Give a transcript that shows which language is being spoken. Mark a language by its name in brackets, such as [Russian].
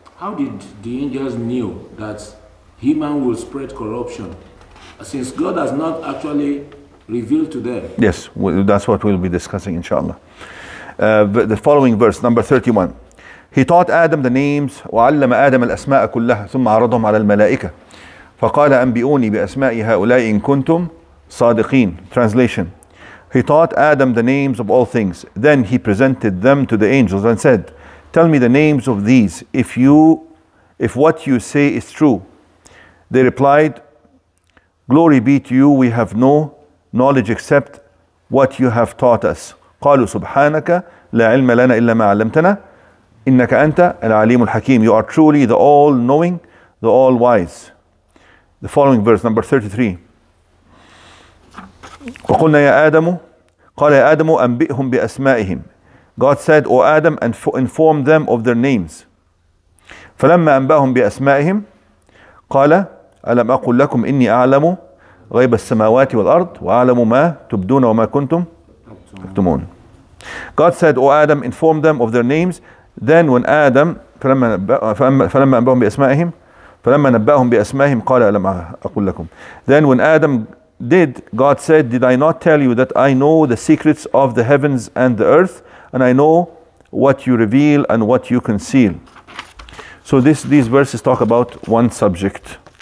[English] How did the angels knew that human will spread corruption since God has not actually revealed to them? Yes, that's what we'll be discussing, inshallah. The following verse, number 31. He taught Adam the names, [Arabic] وعلم آدم الأسماء كلها ثم عرضهم على الملائكة فقال أنبئوني بأسماء هؤلاء إن كنتم صادقين. [English] Translation. He taught Adam the names of all things. Then he presented them to the angels and said, tell me the names of these if what you say is true. They replied, glory be to you, we have no knowledge except what you have taught us. [Arabic] قالوا سبحانك لا علم لنا إلا ما علمتنا إنك أنت العليم الحكيم. [English] You are truly the all-knowing, the all-wise. The following verse, number 33. [Arabic] وقلنا يا آدم قال يا آدم أنبئهم بأسمائهم. [English] God said, O Adam, inform them of their names. [Arabic] فلما أنبأهم بأسمائهم قال ألم أقل لكم إني أعلم غيب السماوات والأرض وأعلم ما تبدون وما كنتم تكتمون. [English] God said, O Adam, inform them of their names. Then when Adam, [Arabic] فَلَمَّا أَنْبَأَهُمْ بِأَسْمَائِهِمْ فَلَمَّا نَبَّأَهُمْ بِأَسْمَائِهِمْ قَالَ أَلَمْ أَقُلْ لَكُمْ. [English] Then when Adam did, God said, did I not tell you that I know the secrets of the heavens and the earth, and I know what you reveal and what you conceal? So these verses talk about one subject.